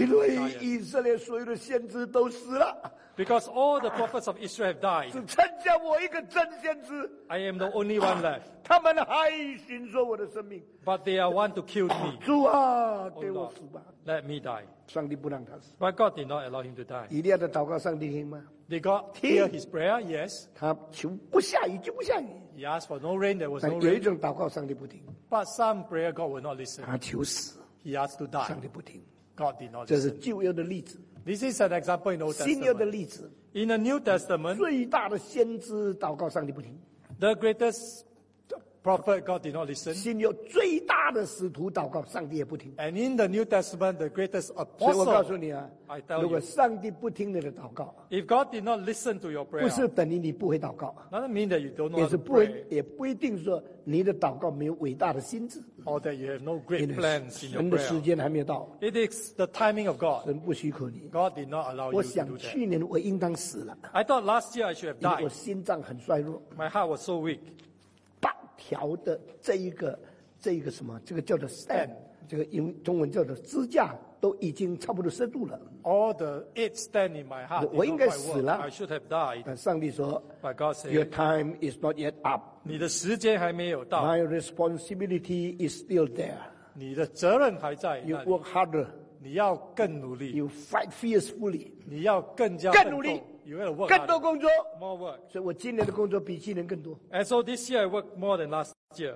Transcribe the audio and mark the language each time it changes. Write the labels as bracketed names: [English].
[Chinese] 因为以色列所有的先知都死了。 [English] Because all the prophets of Israel have died. [Chinese] 只剩下我一个真先知。 [English] I am the only one left. [Chinese] 他们还寻索我的生命。 [English] But they are want to kill me. [Chinese] 主啊，给我死吧。 [English] Let me die. [Chinese] 上帝不让他死。 [English] But God did not allow him to die. [Chinese] 以利亚的祷告上帝听吗 [English] ？Did God hear his prayer? Yes. [Chinese] 他求不下雨就不下雨。 [English] He asked for no rain. There was no rain. [Chinese] 有一种祷告上帝不听。 [English] But some prayer God will not listen. [Chinese] 他求死。 [English] He asked to die. [Chinese] 上帝不听。 [English] God did not listen. [Chinese] 这是旧约的例子。 [English] This is an example in Old Testament. [Chinese] 新约的例子。 [English] In the New Testament, [Chinese] 最大的先知祷告上帝不听。 [English] The greatest prophet God did not listen. [Chinese] 新约最大的使徒祷告上帝也不听。 [English] And in the New Testament, the greatest apostle. [Chinese] 所以我告诉你啊， [English] I tell you, [Chinese] 如果上帝不听你的祷告， [English] if God did not listen to your prayer, [Chinese] 不是等于你不会祷告。 [English] Doesn't mean that you don't know. [Chinese] 也是不会，也不一定说你的祷告没有伟大的心智。 [English] Or that you have no great plans in your prayer. [Chinese] 神的时间还没有到。 [English] It is the timing of God. [Chinese] 神不许可你。 [English] God did not allow you to do that. [Chinese] 我想去年我应当死了。 [English] I thought last year I should have died. [Chinese] 因为我心脏很衰弱。 [English] My heart was so weak. [Chinese] 调的这一个什么，这个叫做 stand， 这个英中文叫做支架，都已经差不多深度了。 [English] All the eight stand in my heart. [Chinese] 我应该死了。 [English] I should have died. [Chinese] 但上帝说 [English] ，By God said, your time is not yet up. [Chinese] 你的时间还没有到。 [English] My responsibility is still there. [Chinese] 你的责任还在。 [English] You work harder. [Chinese] 你要更努力。 [English] You fight fiercely. [Chinese] 你要更加更努力。 [English] You gotta work [Chinese] 更多工作 [English] more work. [Chinese] 所以我今年的工作比去年更多 [English] And so this year I work more than last year